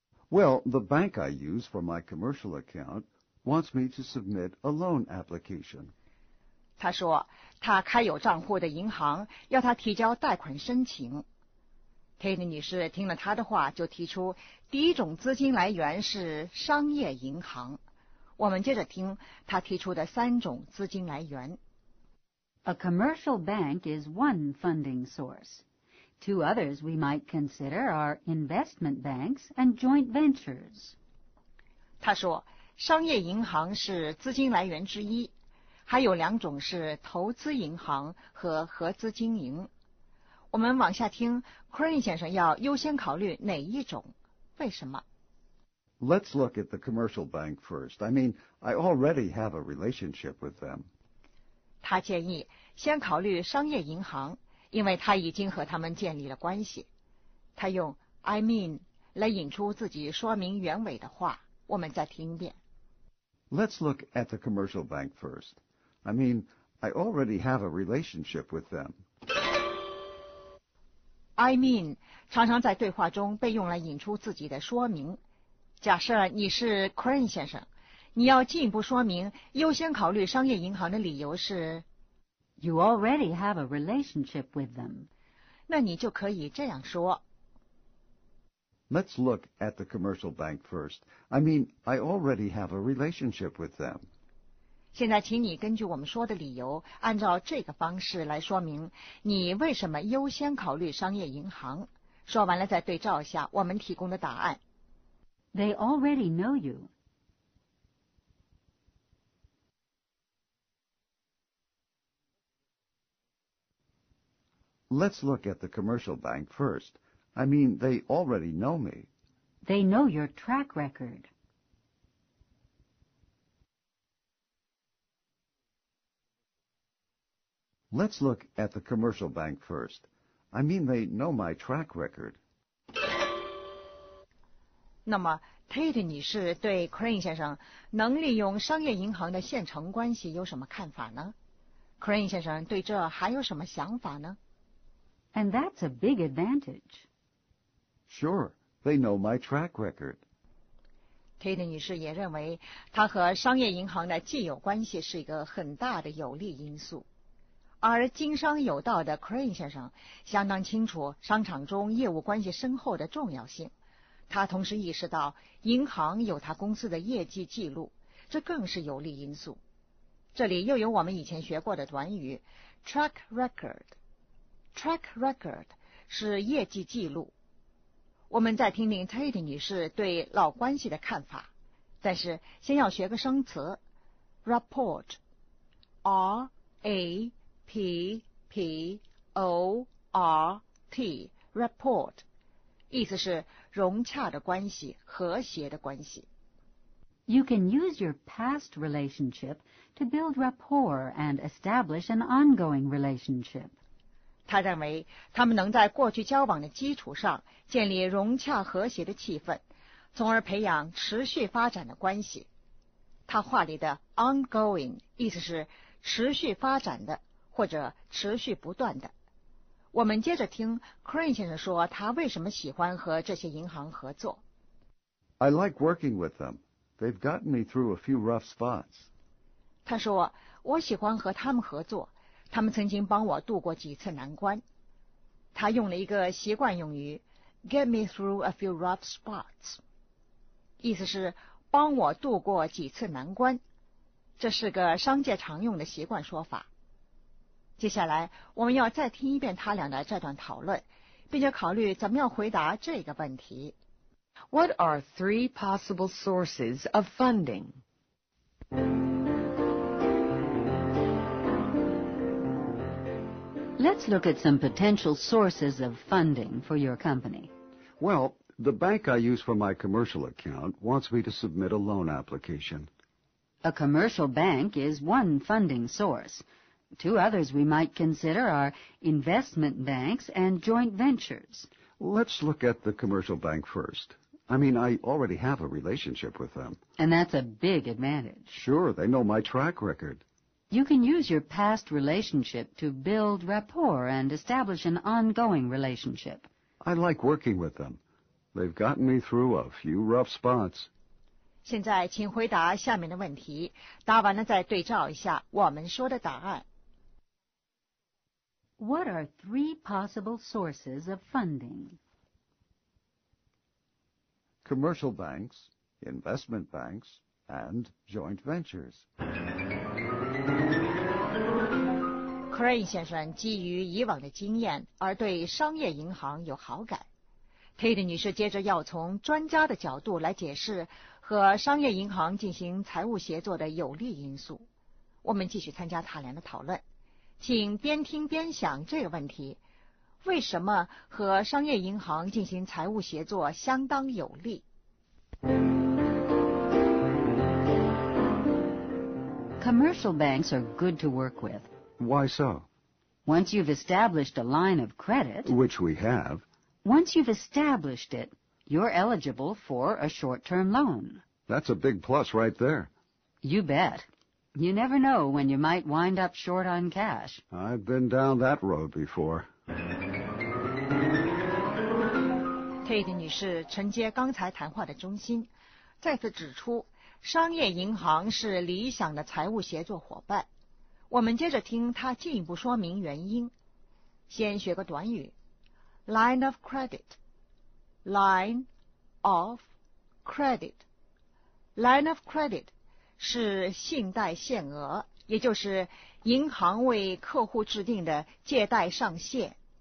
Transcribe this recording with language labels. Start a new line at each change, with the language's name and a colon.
English: Well, the bank I use for my commercial account wants me to submit a loan application.
Chinese: 他说他开有账户的银行要他提交贷款申请。 Tate 女士听了他的话，就提出第一种资金来源是商业银行。我们接着听他提出的三种资金来源。
English: A commercial bank is one funding source. Two others we might consider are investment banks and joint ventures.
Chinese: 他说商业银行是资金来源之一，还有两种是投资银行和合资经营。我们往下听 Crane 先生要优先考虑哪一种，为什么？
English: Let's look at the commercial bank first. I mean, I already have a relationship with them.
Chinese: 他建议先考虑商业银行，因为他已经和他们建立了关系。他用
English: I mean
Chinese: 来引出自己说明原委的话，我们再听一遍。
English: Let's look at the commercial bank first. I mean, I already have a relationship with them. I mean
Chinese: 常常在对话中被用来引出自己的说明。假设你是 Crane 先生，你要进一步说明优先考虑商业银行的理由是
English: You already have a relationship with them.
Chinese: 那你就可以这样说。
English: Let's look at the commercial bank first. I mean, I already have a relationship with them.
Chinese: 现在请你根据我们说的理由，按照这个方式来说明你为什么优先考虑商业银行。说完了再对照一下我们提供的答案。
English: They already know you. Let's look at the commercial bank first. I mean, they already know me. They know your track record. Let's look at the commercial bank first. I mean, they know my track record.
Chinese: 那么 ,Tate 女士对 Crane 先生能利用商业银行的现成关系有什么看法呢？ Crane 先生对这还有什么想法呢？
English: And that's a big advantage. Sure, they know my track record.
Chinese: Tate 女士也认为她和商业银行的既有关系是一个很大的有利因素。而经商有道的 Crane 先生相当清楚商场中业务关系深厚的重要性。他同时意识到银行有他公司的业绩记录，这更是有利因素。这里又有我们以前学过的短语 track record. Track record 是业绩记录。我们再听听 Tate 女士对老关系的看法，但是先要学个生词 ，rapport， R A P P O R T， rapport， 意思是融洽的关系，和谐的关系。
English: You can use your past relationship to build rapport and establish an ongoing relationship.
Chinese: 他认为他们能在过去交往的基础上建立融洽和谐的气氛，从而培养持续发展的关系。他话里的 ongoing 意思是持续发展的或者持续不断的。我们接着听 Crane 先生说他为什么喜欢和这些银行合作。
English: I like working with them. They've gotten me through a few rough spots.
Chinese: 他说我喜欢和他们合作。他们曾经帮我度过几次难关。他用了一个习惯用语 ,
English: get me through a few rough spots,
Chinese: 意思是帮我度过几次难关。这是个商界常用的习惯说法。接下来我们要再听一遍他俩的这段讨论，并且考虑怎么样回答这个问题。
English: What are three possible sources of funding? Let's look at some potential sources of funding for your company. Well, the bank I use for my commercial account wants me to submit a loan application. A commercial bank is one funding source. Two others we might consider are investment banks and joint ventures. Let's look at the commercial bank first. I mean, I already have a relationship with them. And that's a big advantage. Sure, they know my track record. You can use your past relationship to build rapport and establish an ongoing relationship. I like working with them. They've gotten me through a few rough spots.
Chinese: 现在请回答下面的问题，答完了再对照一下我们说的答案。
English: What are three possible sources of funding? Commercial banks, investment banks, and joint ventures.
Chinese: Crane 先生基于以往的经验而对商业银行有好感。 Tate 女士接着要从专家的角度来解释和商业银行进行财务协作的有利因素。我们继续参加塔连的讨论，请边听边想这个问题：为什么和商业银行进行财务协作相当有利？
English: commercial banks are good to work with. Why so? Once you've established a line of credit... Which we have. Once you've established it, you're eligible for a short-term loan. That's a big plus right there. You bet. You never know when you might wind up short on cash. I've been down that road before.
Chinese: Kate 女士承接刚才谈话的中心，再次指出，商业银行是理想的财务协作伙伴。我们接着听她进一步说明原因。先学个短语 ，line of credit，line of credit，line of credit 是信贷限额，也就是银行为客户制定的借贷上限。